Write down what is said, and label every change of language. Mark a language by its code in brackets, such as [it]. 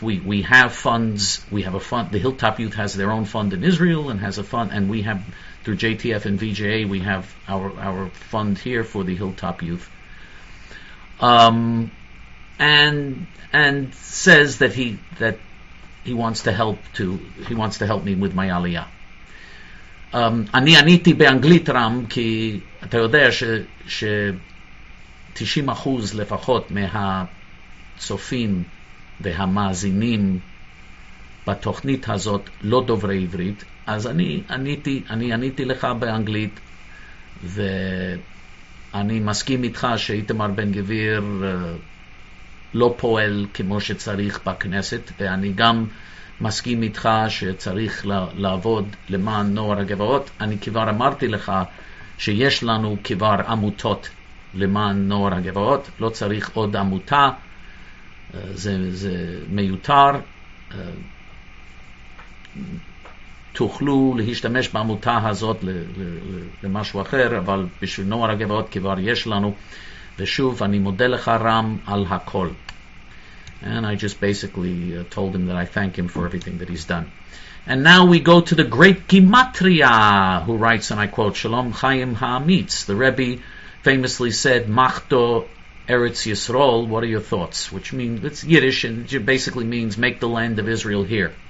[en] We have funds. We have a fund. The Hilltop Youth has their own fund in Israel and has a fund. And we have, through JTF and VJA, we have our fund here for the Hilltop Youth. And says that he wants to help me with my aliyah. [he] Ani aniti beanglit Ram ki ata yoda she 90% lefachot meha צופים והמאזינים בתוכנית הזאת לא דוברי עברית, אז אני עניתי לך באנגלית, ואני מסכים איתך שאיתמר בן גביר לא פועל כמו שצריך בכנסת, ואני גם מסכים איתך שצריך לעבוד למען נוער הגבעות. אני כבר אמרתי לך שיש לנו כבר עמותות למען נוער הגבעות, לא צריך עוד עמותה, זה מיותר. תוכלו להשתמש בעמותה הזאת למשהו אחר, אבל בשביל נוער הגבעות כבר יש לנו. ושוב, אני מודה לך רם על הכל. [en] And I just basically told him that I thank him for everything that he's done. And now we go to the great Gematria, who writes, and I quote, Shalom Chaim Ha'amitz. The Rebbe famously said, [yi] Machto Eretz Yisrael, [en] what are your thoughts? Which means, it's Yiddish, and it basically means, make the land of Israel here.